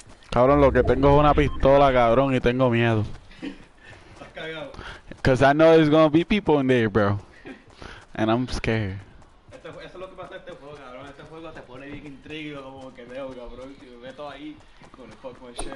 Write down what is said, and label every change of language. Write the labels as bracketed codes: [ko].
[es] Cabrón, lo que tengo es una pistola, cabrón, y tengo miedo. [en] Cause I know there's gonna be people in there, bro. And I'm scared. [es] Eso es lo que pasa en este juego, cabrón. Este juego te pone bien intrigado, como que veo, cabrón. Y ve todo ahí con el [en] fucking shit.